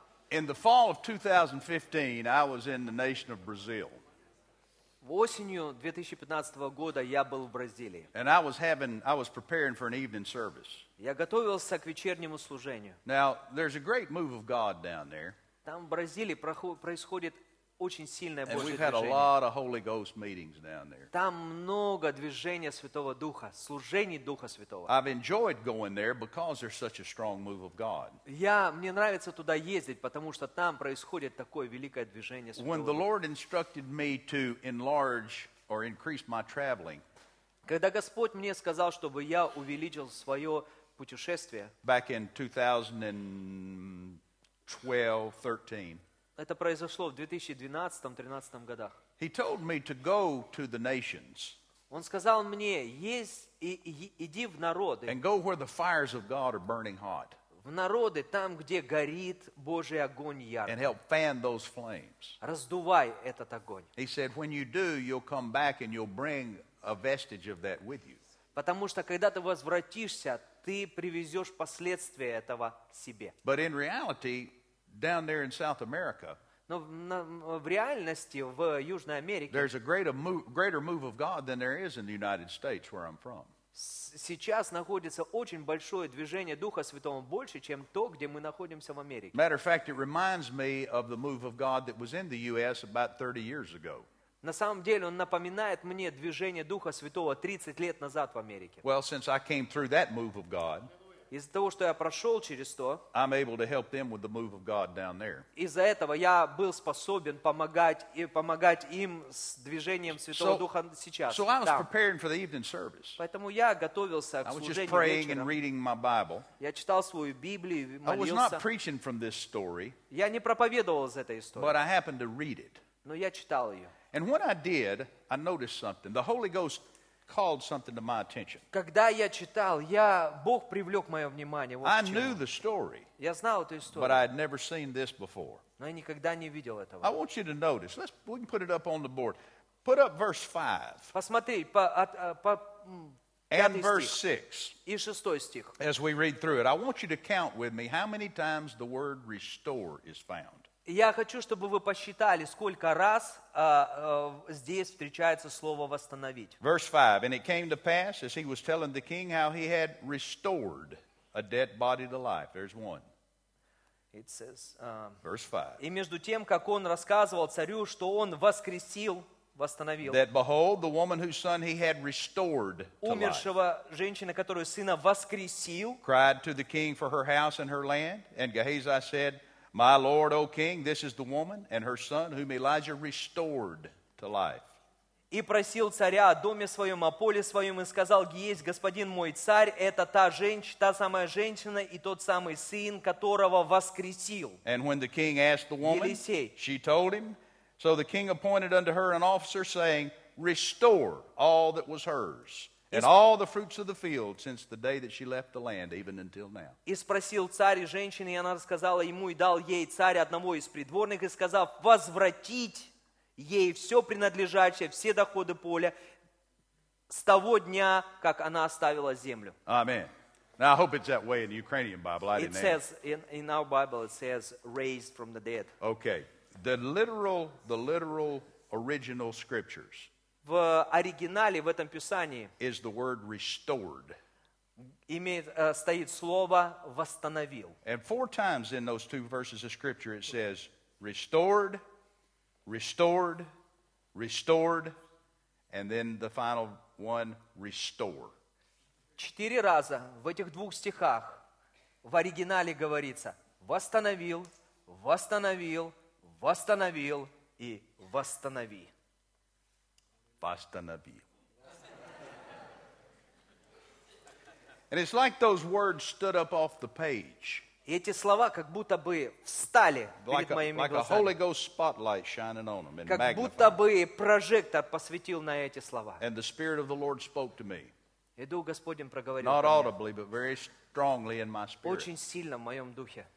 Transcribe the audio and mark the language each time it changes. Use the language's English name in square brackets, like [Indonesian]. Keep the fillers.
[English] In the 2015, [Russian] Осенью 2015 года я был в Бразилии. [English] And I was having, I was preparing for an evening service. [Russian] Я готовился к вечернему служению. [English] Now, there's a great move of God down there. [Russian] Там в Бразилии происходит очень сильное Божье движение. [English] Had a lot of Holy Ghost meetings down there. [Russian] Там много движения Святого Духа, служений Духа Святого. Я, мне нравится туда ездить, потому что там происходит такое великое движение Святого [English] When the [Russian] Духа. [English] Lord instructed me to enlarge or increase my traveling, [Russian] когда Господь мне сказал, чтобы я увеличил свое путешествие, [English] back in 2012, 13, [Russian] Это произошло в 2012-2013 годах. [English] He told me to go to the nations. [Russian] Он сказал мне, есть и, и иди в народы. [English] And go where the fires of God are burning hot. [Russian] В народы, там, где горит Божий огонь яркий. [English] And help fan those flames. [Russian] Раздувай этот огонь. [English] He said, when you do, you'll come back and you'll bring a vestige of that with you. [Russian] Потому что, когда ты возвратишься, ты привезешь последствия этого себе. [English] But in reality, down there in South America. [Russian] Но в реальности в Южной Америке. [English] There's a greater move, greater move, of God than there is in the United States, where I'm from. [Russian] Сейчас находится очень большое движение Духа Святого больше, чем то, где мы находимся в Америке. [English] Matter of fact, it reminds me of the move of God that was in the U.S. about 30 years ago. [Russian] На самом деле, он напоминает мне движение Духа Святого 30 лет назад в Америке. [English] Well, since I came through that move of God. [Russian] из-за того, что я прошел через то, из-за этого я был способен помогать и помогать им с движением Святого so, Духа сейчас. So Поэтому я готовился к служению just Я читал свою Библию, молился. я не проповедовал из этой истории, но я читал ее. И когда я это сделал, я заметил что Святой Дух [English] called something to my attention. [Russian] Когда я читал, я Бог привлек мое внимание. [English] I knew the story. Я знал эту историю. But I had never seen this before. [Russian] Но я никогда не видел этого. [English] I want you to notice. Let's we can put it up on the board. Put up verse five. [Russian] Посмотри по по [English] and five verse six, and 6, as we read through it, I want you to count with me how many times the word restore is found. [Russian] Я хочу, чтобы вы посчитали, сколько раз здесь встречается слово восстановить. [English] Verse 5. And it came to pass, as he was telling the king, how he had restored a dead body to life. There's one. It says, uh, Verse five. [Russian] И между тем, как он рассказывал царю, что он воскресил, восстановил. [English] That behold, the woman whose son he had restored [Russian] умершего женщины, которую сына воскресил, [English] cried to the king for her house and her land. And Gehazi said, My Lord, O King, this is the woman and her son whom Elijah restored to life. [Russian] И просил царя о доме своем, о поле своем, и сказал, есть господин мой царь, это та женщина, та самая женщина и тот самый сын, которого воскресил. [English] And when the king asked the woman, she told him, so the king appointed unto her an officer, saying, restore all that was hers and all the fruits of the field since the day that she left the land, even until now. [Russian] И спросил царь и женщина, и она сказала ему и дал ей царь одного из придворных и сказав возвратить ей все принадлежащее, все доходы поля с того дня, как она оставила землю. [English] Amen. Now I hope it's that way in the Ukrainian Bible. I didn't it know. says in, in our Bible it says raised from the dead. Okay. The literal, the literal original scriptures. [Russian] в оригинале, в этом писании [English] is the word restored. [Russian] Имеет, uh, стоит слово «восстановил». [English] And four times in those two verses of scripture it says restored, restored, restored, and then the final one, restore. [Russian] Четыре раза в этих двух стихах в оригинале говорится «восстановил, восстановил, восстановил и восстанови». Vastanabi. [English] And it's like those words stood up off the page. [Russian] Эти слова как будто бы встали перед моими глазами. Как будто бы прожектор посвятил на эти слова. И Дух Господень проговорил мне. Очень сильно в моем духе.